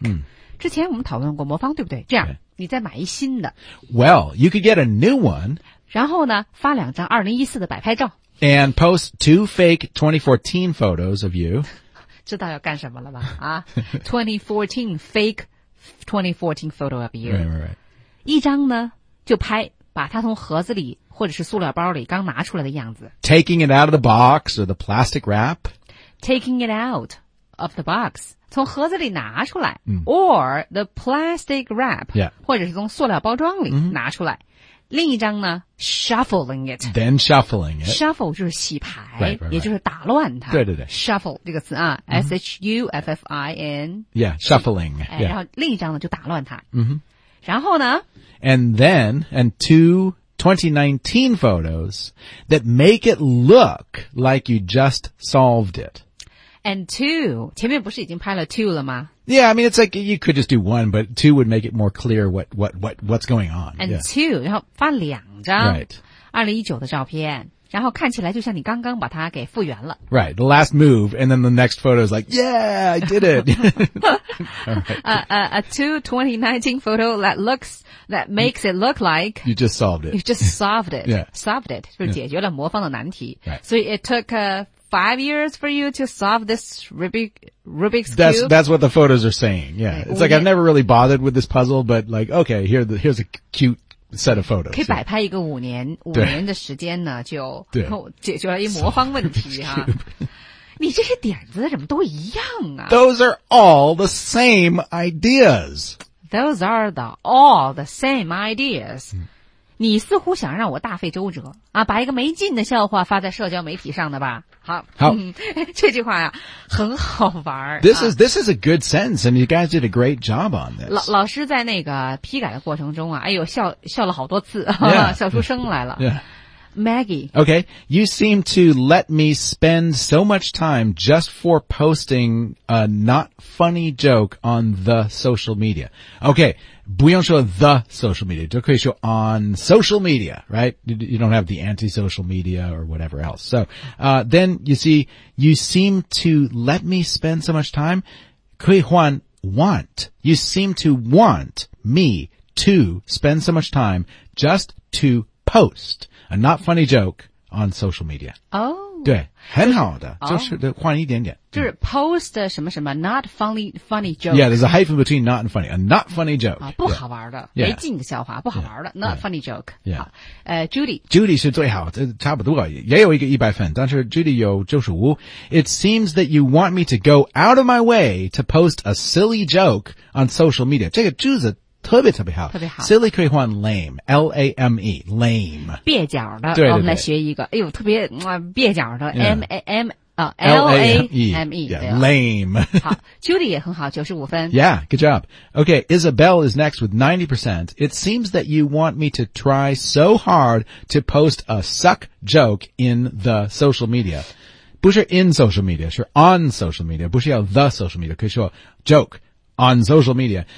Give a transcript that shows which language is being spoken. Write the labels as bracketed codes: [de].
[zh] mm. 之前我们讨论过魔方对不对这样、okay. 你再买一新的 [en] Well, you could get a new one [zh] 然后呢发两张2014的摆拍照 [en] And post two fake 2014 photos of you. [zh] 知道要干什么了吧、啊、2014, [en] fake 2014 photo of you. Right. [zh] 一张呢就拍把它从盒子里或者是塑料包里刚拿出来的样子。 [en] Taking it out of the box or the plastic wrap. Taking it out of the box. [zh] 从盒子里拿出来、 mm. [en] or the plastic wrap.、 Yeah. [zh] 或者是从塑料包装里拿出来。 Mm-hmm. 另一张呢 shuffling it. [en] Then shuffling it. [zh] Shuffle 就是洗牌 [en] right, right, right. [zh] 也就是打乱它。对对对。 Shuffle 这个词啊、mm-hmm. S-H-U-F-F-I-N. [en] Yeah, shuffling. Yeah. [zh] 然后另一张呢就打乱它。 Mm-hmm. 然后呢 [en] And then, and two 2019 photos that make it look like you just solved it. [zh] And two, 前面不是已经拍了 two 了吗? [en] Yeah, I mean, it's like, you could just do one, but two would make it more clear what's going on. And、 yeah. [zh] two, 然后发两张 [en] right. [zh] 2019的照片然后看起来就像你刚刚把它给复原了。 [en] Right, the last move, and then the next photo is like, yeah, I did it. a two 2019 photo that makes it look like... You just solved it. You just solved it. yeah. Solved it, 就是解决了魔方的难题。 Right. 所以 it took... Five years for you to solve this Rubik's that's, cube? That's what the photos are saying, yeah. Okay, it's like I've never really bothered with this puzzle, but like, okay, here's a cute set of photos. [zh] 可以摆拍一个五年，五年的时间呢，就解决了一魔方问题哈。你这些点子怎么都一样啊？ [en] Those are all the same ideas. Those are the all the same ideas.、 [zh] 你似乎想让我大费周折啊，把一个没劲的笑话发在社交媒体上的吧？好，这句话呀、很好玩。 [en] This is a good sentence, and you guys did a great job on this. [zh] 老师在那个批改的过程中啊，哎呦，笑了好多次， [en] yeah. [zh] 笑出声来了。 [en] Yeah. Maggie. Okay, you seem to let me spend so much time just for posting a not funny joke on the social media. Okay, 不用说 the social media, 就可以说 on social media, right? You don't have the anti-social media or whatever else. So, then you see, you seem to let me spend so much time, [zh] 可以换 [en] want. You seem to want me to spend so much time just to post. A not funny joke on social media. Oh. [zh] 对很好的、就是换一点点。就是 post 什么什么 not funny joke. [en] Yeah, there's a hyphen between not and funny. A not funny joke.、 [zh] 不好玩的、 [en] yeah. [zh] 没劲的笑话不好玩的 [en] not funny joke. Yeah. Judy. [zh] Judy 是最好的差不多也有一个100分但是 Judy 有95。 [en] It seems that you want me to go out of my way to post a silly joke on social media. [zh] 这个句子特别特别好特别好 Silly 可以换 lame L-A-M-E Lame 蹩脚的对对对我们来学一个哎呦特别、蹩脚的、M-A-M、 [en] L-A-M-E Lame [zh] 好 Judy 也很好95分 [en] Yeah good job Okay Isabelle is next with 90% It seems that you want me to try so hard to post a suck joke in the social media [zh] 不是 in social media 是 on social media 不是要 the social media 可以说 [en] jokeOn social media.